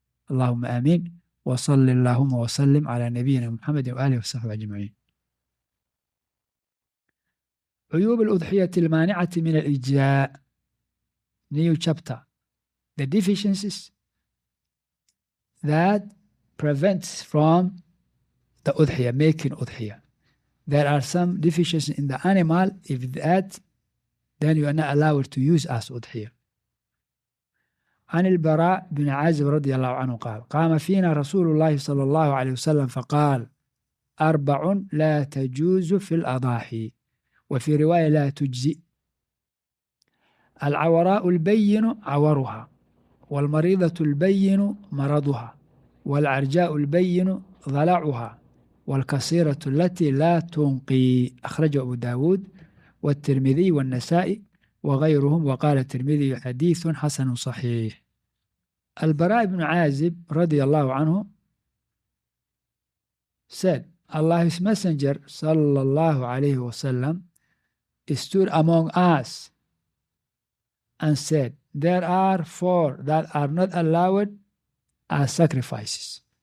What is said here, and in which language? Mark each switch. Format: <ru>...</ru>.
<ar>اللهم آمين وصل اللهم وسلم على نبينا محمد وآله وصحبه أجمعين. عيوب الأضحية المانعة من الإجزاء.</ar> <en>New chapter. The deficiencies that prevents from the أضحية, making أضحية. There are some deficiencies in the animal. If that, then you are not allowed to use as أضحية.</en> <ar>عن البراء بن عازب رضي الله عنه قال: قام فينا رسول الله صلى الله عليه وسلم فقال: أربع لا تجوز في الأضاحي، وفي رواية لا تجزي: العوراء البين عورها، والمريضة البين مرضها، والعرجاء البين ضلعها، والقصيرة التي لا تنقي. أخرجه أبو داود والترمذي والنسائي وغيرهم، وقال الترمذي: حديث حسن صحيح.</ar> <en>البراء بن عازب</en> <ar>رضي الله عنه</ar> <en>said: Allah's messenger</en> <ar>صلى الله عليه وسلم</ar> <en>stood among us and said: There are four that are not allowed as sacrifices.</en>